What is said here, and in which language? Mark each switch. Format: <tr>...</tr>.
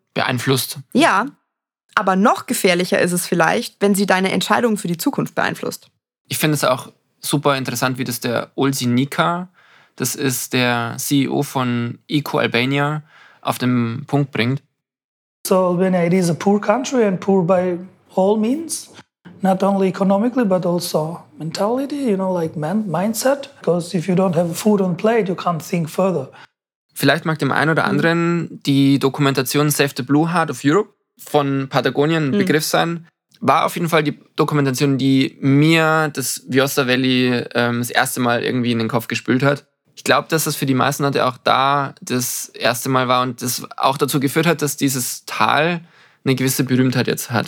<de>beeinflusst. Ja. Aber noch gefährlicher ist es vielleicht, wenn sie deine Entscheidungen für die Zukunft beeinflusst. Ich finde es auch super interessant, wie das der Ulzi Nika, das ist der CEO von Eco Albania, auf den Punkt bringt.</de> <en>So Albania, it is a poor country and poor by all means. Not only economically, but also mentality, you know, like mindset. Because if you don't have food on plate, you can't think further.</en> <de>Vielleicht mag dem einen oder anderen die Dokumentation Save the Blue Heart of Europe von Patagonien Begriff sein, war auf jeden Fall die Dokumentation, die mir das Vioza Valley das erste Mal irgendwie in den Kopf gespült hat. ich glaube, dass das für die meisten Leute auch da das erste Mal war und das auch dazu geführt hat, dass dieses Tal eine gewisse Berühmtheit jetzt hat.</de>